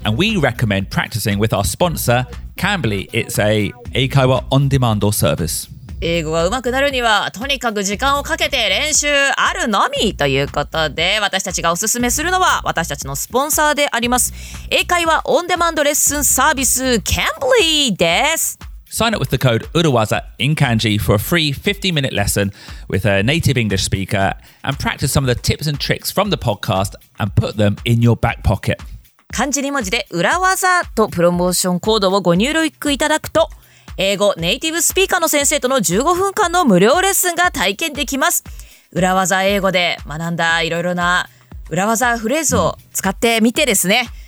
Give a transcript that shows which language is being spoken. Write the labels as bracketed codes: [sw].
[en] And we recommend practicing with our sponsor, Cambly. It's a 英会話 on demand service. [ja] 英語が上手くなるには、とにかく時間をかけて練習あるのみということで、私たちがおすすめするのは、私たちのスポンサーであります。英会話 on demand レッスンサービス、Cambly です。 [en] Sign up with the code URAWAZA in kanji for a free 50-minute lesson with a native English speaker and practice some of the tips and tricks from the podcast and put them in your back pocket. [ja] 漢字2文字で URAWAZA とプロモーションコードをご入力いただくと、英語ネイティブスピーカーの先生との15分間の無料レッスンが体験できます。 URAWAZA英語で学んだいろいろな URAWAZA フレーズを使ってみてですね。